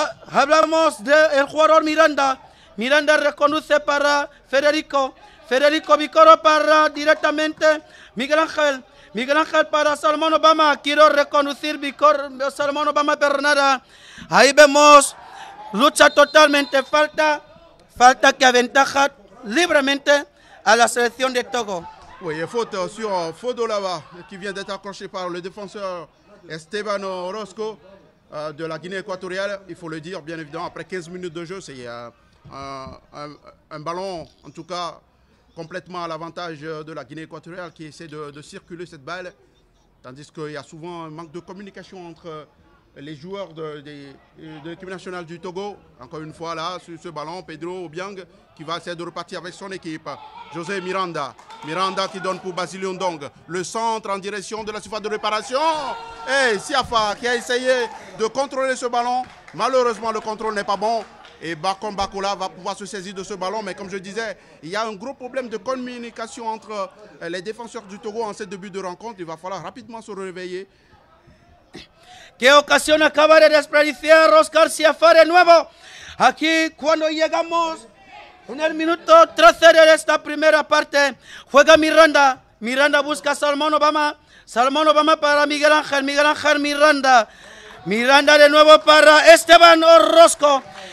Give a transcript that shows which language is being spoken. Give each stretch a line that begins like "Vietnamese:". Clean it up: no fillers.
Spanish: Hablamos del jugador Miranda. Miranda reconduce para Federico. Federico Bicorro para directamente Miguel Ángel. Miguel Ángel para Salomón Obama. Quiero reconducir Bicorro, Salomón Obama Bernada. Ahí vemos lucha totalmente. Falta que aventaja libremente
French: à la sélection de Togo. Oui, il y a faute sur Fodo Lava qui vient d'être accroché par le défenseur Esteban Orozco de la Guinée équatoriale. Il faut le dire, bien évidemment, après 15 minutes de jeu, c'est un ballon, en tout cas, complètement à l'avantage de la Guinée équatoriale qui essaie de circuler cette balle, tandis qu'il y a souvent un manque de communication entre les joueurs de l'équipe nationale du Togo. Encore une fois, là, sur ce ballon, Pedro Obiang qui va essayer de repartir avec son équipe. José Miranda. Miranda qui donne pour Basilio Ndong. Le centre en direction de la surface de réparation. Et Siafa qui a essayé de contrôler ce ballon. Malheureusement, le contrôle n'est pas bon. Et Bakon Bakola va pouvoir se saisir de ce ballon. Mais comme je disais, il y a un gros problème de communication entre les défenseurs du Togo en ce début de rencontre. Il va falloir rapidement se réveiller.
Spanish: Qué ocasión acaba de desperdiciar Oscar Siafa de nuevo. Aquí cuando llegamos en el minuto 13 de esta primera parte, juega Miranda. Miranda busca a Salomón Obama. Salomón Obama para Miguel Ángel. Miguel Ángel Miranda. Miranda de nuevo para Esteban Orozco.